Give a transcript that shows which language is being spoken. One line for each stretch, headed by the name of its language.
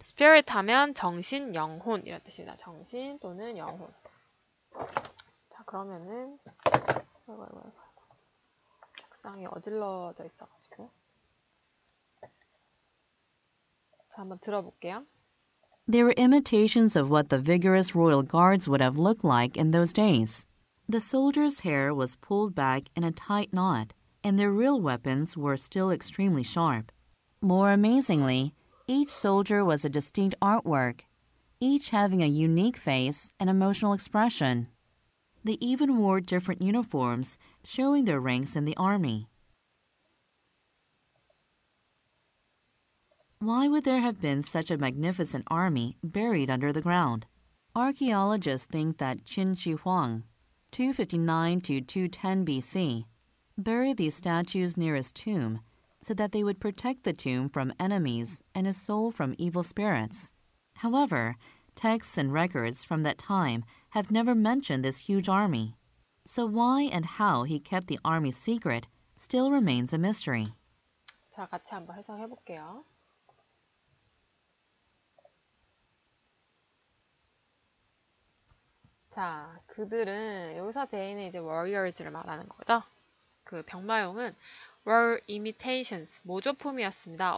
Korean: spirit 하면 정신, 영혼 이런 뜻입니다. 정신 또는 영혼. 자, 그러면은 책상이 어질러져 있어가지고 자, 한번 들어볼게요.
English: There were imitations of what the vigorous royal guards would have looked like in those days. The soldiers' hair was pulled back in a tight knot, and their real weapons were still extremely sharp. More amazingly, each soldier was a distinct artwork, each having a unique face and emotional expression. They even wore different uniforms, showing their ranks in the army. Why would there have been such a magnificent army buried under the ground? Archaeologists think that Qin Shi Huang, 259 to 210 BC, buried these statues near his tomb so that they would protect the tomb from enemies and his soul from evil spirits. However, texts and records from that time have never mentioned this huge army. So why and how he kept the army secret still remains a mystery.
Korean: 자, 같이 한번 해석해 볼게요. 자, 그들은 여기서 대인은 이제 warriors를 말하는 거죠. 그 병마용은
English: were imitations,
Korean: 모조품이었습니다.